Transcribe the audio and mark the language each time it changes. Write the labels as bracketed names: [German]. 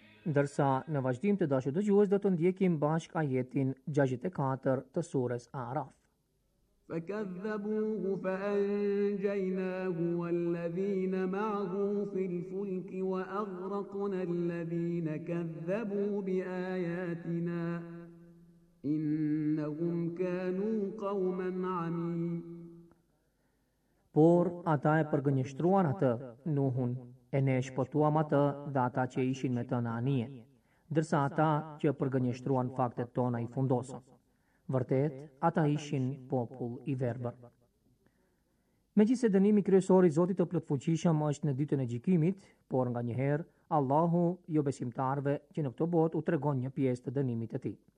[Albanian] Ndërsa në vazhdim të dashur dëgjues do të ndjekim bashkë ajetin 64 të surës A'raf. [Arabic] فكذبوه فأنجيناه والذين معه في الفلك وأغرقنا الذين كذبوا بآياتنا إنهم كانوا قوما عمين. [Albanian] Por ata e përgënjështruan atë Nuhun, e ne shpëtuam atë dhe ata që ishin me të në anije, dërsa ata që përgënjështruan faktet tona i fundosën. Vërtet, ata ishin popull i verbër. Megjithse dënimi kryesor i Zotit të plotfuqishëm është në ditën e gjykimit, por nga njëherë, Allahu jo besimtarve që në këtë botë u tregon një pjesë të dënimit të tij.